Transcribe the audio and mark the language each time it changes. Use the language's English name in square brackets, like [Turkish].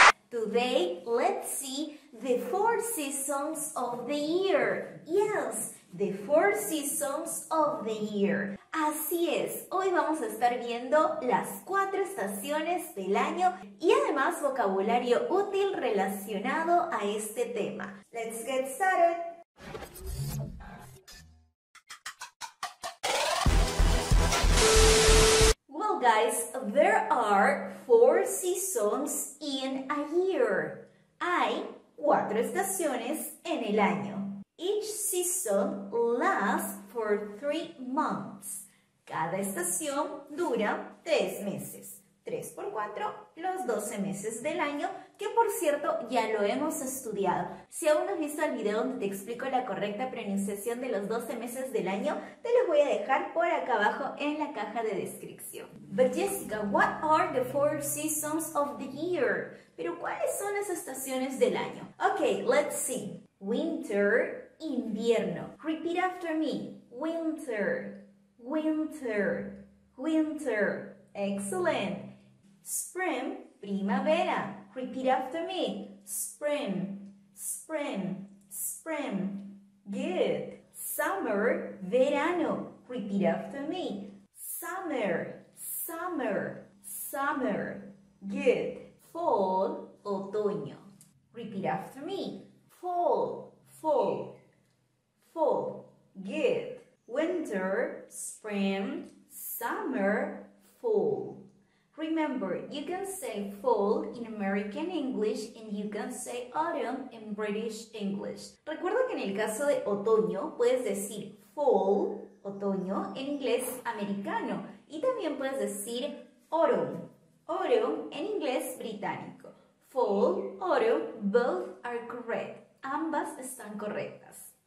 [English] Today, let's see the four seasons of the year. Yes, the four seasons of the year. [Spanish] Así es, hoy vamos a estar viendo las cuatro estaciones del año y además vocabulario útil relacionado a este tema. [English] Let's get started. Well, guys, there are four seasons in a year. [Spanish] Hay cuatro estaciones en el año. [English] Each season lasts for 3 months. [Spanish] Cada estación dura 3 meses. 3 por 4, los 12 meses del año, que por cierto ya lo hemos estudiado. Si aún no has visto el video donde te explico la correcta pronunciación de los 12 meses del año, te los voy a dejar por acá abajo en la caja de descripción. [English] But Jessica, what are the four seasons of the year? [Spanish] Pero ¿cuáles son las estaciones del año? [English] Ok, let's see. Winter, invierno. Repeat after me. Winter, winter, winter. Excellent. Spring, primavera. Repeat after me. Spring, spring, spring. Good. Summer, verano. Repeat after me. Summer, summer, summer. Good. Fall, otoño. Repeat after me. Fall, fall, fall. Good. Winter, spring, summer, fall. Remember, you can say fall in American English and you can say autumn in British English. [Spanish] Recuerda que en el caso de otoño puedes decir fall, otoño, en inglés americano. Y también puedes decir autumn, autumn en inglés británico. [English] Fall, autumn, both are correct. [Spanish] Ambas están correctas.